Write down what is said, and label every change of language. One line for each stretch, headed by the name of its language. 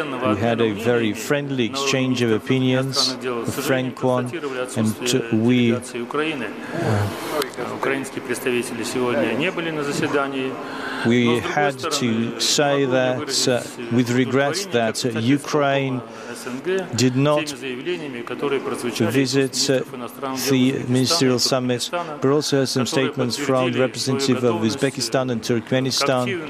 English: We had a very friendly exchange of opinions, a frank one, and we
Russian: украинские представители сегодня не были на заседании.
English: We had to say that it's with regret that Ukraine did not visit the ministerial summit, but also has some statements from representatives of Uzbekistan and Turkmenistan.